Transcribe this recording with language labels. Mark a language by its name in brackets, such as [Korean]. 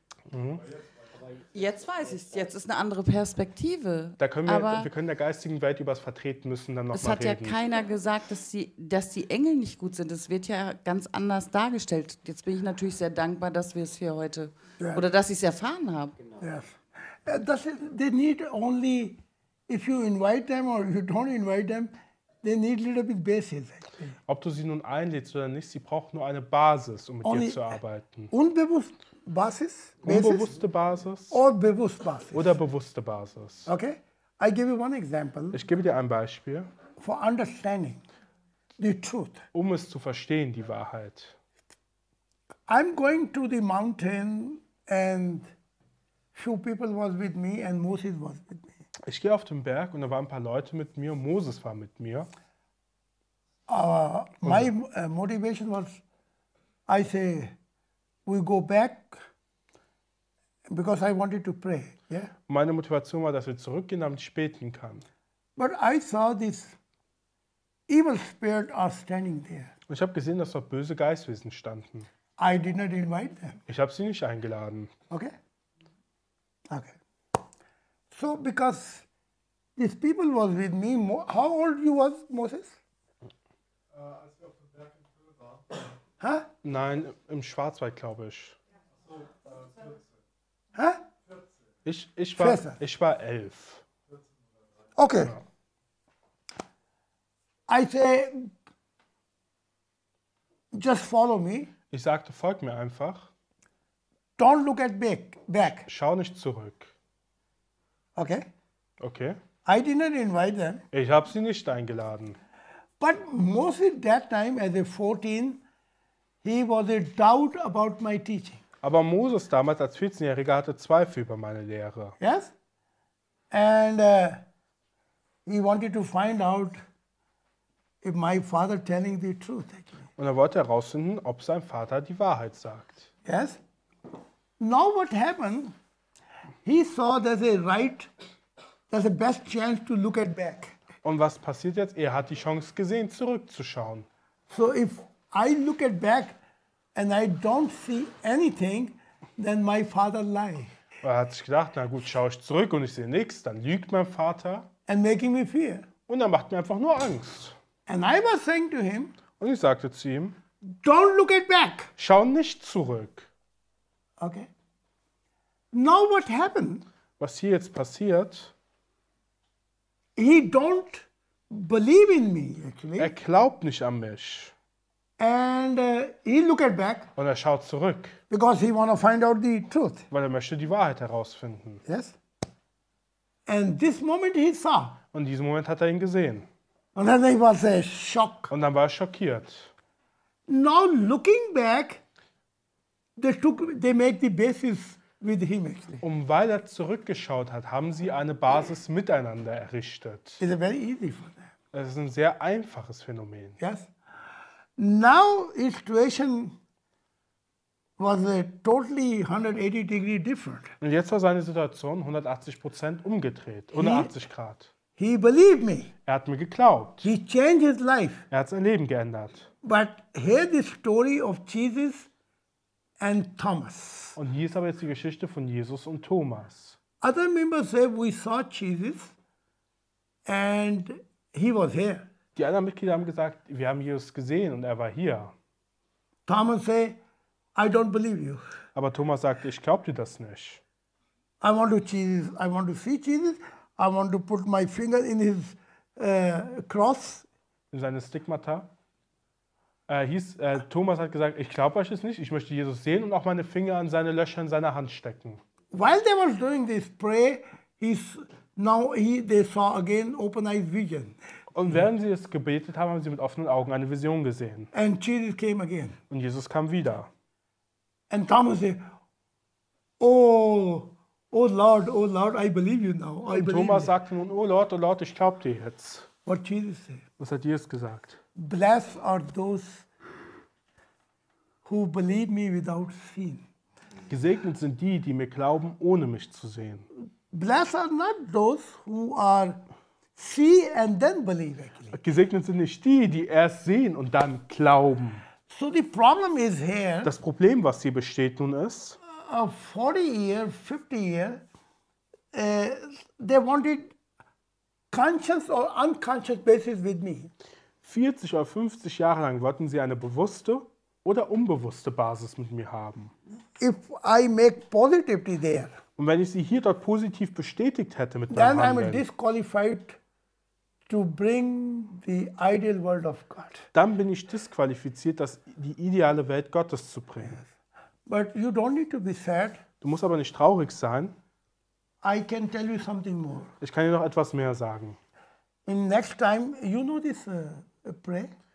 [German] Mhm. Jetzt weiß ich es. Jetzt ist eine andere Perspektive. Da können wir, aber wir können der geistigen Welt übers Vertreten müssen dann nochmal reden. Es hat ja keiner gesagt, dass die Engel nicht gut sind. Es wird ja ganz anders dargestellt. Jetzt bin ich natürlich sehr dankbar, dass wir es hier heute, oder dass ich es erfahren habe. Genau. Ja. [English] That's it. They need only, if you invite them or you don't invite them, they need a little bit basis. [German] Ob du sie nun einlädst oder nicht, sie braucht nur eine Basis, um mit [English] only [German] dir zu arbeiten. Unbewusst Basis? Unbewusste Basis? Oder bewusst Basis. Oder bewusste Basis. [English] Okay, I give you one example. [German] Ich gebe dir ein Beispiel. [English] For understanding the truth. [German] Um es zu verstehen, die Wahrheit. [English] I'm going to the mountain and few people was with me and Moses was with me. [German] Ich gehe auf den Berg und da waren ein paar Leute mit mir und Moses war mit mir. [English] My motivation was, I say, we go back because I wanted to pray. Yeah? [German] Meine Motivation war, dass wir zurückgehen, damit ich beten kann. [English] But I saw this evil spirit are standing there. [German] Und ich habe gesehen, dass dort böse Geistwesen standen. [English] I did not invite them. [German] Ich habe sie nicht eingeladen. Okay. Okay. [English] So because these people was with me, how old you was, Moses? [German] Als wir auf dem Berg in Köln waren. Hä? Nein, im Schwarzwald, glaube ich. Achso, 14. Hä? 14. Ich war 11. [English] Okay. Ja. I say, just follow me. [German] Ich sagte, folg mir einfach. [English] Don't look at back. [German] Schau nicht zurück. Okay. Okay. [English] I did not invite them. [German] Ich habe sie nicht eingeladen. [English] But mostly that time as a 14, he was a doubt about my teaching. [German] Aber Moses damals als 14-Jähriger hatte Zweifel über meine Lehre. [English] Yes. And he wanted to find out if my father telling the truth. [German] Und er wollte herausfinden, ob sein Vater die Wahrheit sagt. [English] Yes. Now what happened? He saw there's a best chance to look at back. [German] Und was passiert jetzt? Er hat die Chance gesehen, zurückzuschauen. [English] So if I look at back and I don't see anything, then my father lie. [German] Er hat sich gedacht, na gut, schaue ich zurück und ich sehe nichts, dann lügt mein Vater. [English] And making me fear. [German] Und er macht mir einfach nur Angst. [English] And I was saying to him. [German] Und ich sagte zu ihm. [English] Don't look at back. [German] Schau nicht zurück. [English] Okay. Now what happened? [German] Was hier jetzt passiert? [English] He don't believe in me actually. [German] Er glaubt nicht an mich. [English] And he look at back. [German] Und er schaut zurück. [English] Because he wanna find out the truth. [German] Weil er möchte die Wahrheit herausfinden. [English] Yes. And this moment he saw. [German] Und diesen Moment hat er ihn gesehen. [English] And then he was shocked. [German] Und dann war er schockiert. [English] Now looking back. They make the basis with him actually. [German] Und weil er zurückgeschaut hat, haben sie eine Basis miteinander errichtet. [English] It's very easy for them. [German] Das ist ein sehr einfaches Phänomen. [English] Yes. Now the situation was a totally 180 degree different. [German] Und jetzt war seine Situation 180% umgedreht. 180 Grad. [English] He believed me. [German] Er hat mir geglaubt. [English] He changed his life. [German] Er hat sein Leben geändert. [English] But hear the story of Jesus. And Thomas. [German] Und hier ist aber jetzt die Geschichte von Jesus und Thomas. [English] Other members say we saw Jesus and he was here. [German] Die anderen Mitglieder haben gesagt, wir haben Jesus gesehen und er war hier. [English] Thomas say, I don't believe you. [German] Aber Thomas sagt, ich glaube dir das nicht. [English] I want to Jesus. I want to see Jesus. I want to put my finger in his cross. [German] In seine Stigmata. Thomas hat gesagt, ich glaube euch es nicht, ich möchte Jesus sehen und auch meine Finger an seine Löcher in seiner Hand stecken. [English] While they were doing this prayer, they saw again open eyes vision. [German] Und während sie es gebetet haben, haben sie mit offenen Augen eine Vision gesehen. [English] And Jesus came again. [German] Und Jesus kam wieder. [English] And Thomas said, "Oh, oh Lord, I believe you now. I [German] Und Thomas [English] believe [German] sagte nun, [English] oh Lord, [German] ich glaube dir jetzt. [English] What Jesus said? [German] Was hat Jesus gesagt? [English] Blessed are those who believe me without seeing. [German] Gesegnet sind die, die mir glauben, ohne mich zu sehen. [English] Blessed are not those who are see and then believe. Actually. [German] Gesegnet sind nicht die, die erst sehen und dann glauben. [English] So the problem is here. [German] Das Problem, was hier besteht, nun ist. [English] 40 years, 50 years, they wanted conscious or unconscious basis with me. [German] 40 oder 50 Jahre lang wollten sie eine bewusste oder unbewusste Basis mit mir haben. [English] If I make positivity there. [German] Und wenn ich sie hier dort positiv bestätigt hätte mit meinem Handeln, [English] then I'm disqualified to bring the ideal world of God. [German] Dann bin ich disqualifiziert, das die ideale Welt Gottes zu bringen. [English] Yes. But you don't need to be sad. [German] Du musst aber nicht traurig sein. [English] I can tell you something more. [German] Ich kann dir noch etwas mehr sagen. [English] In next time, you know this prayer?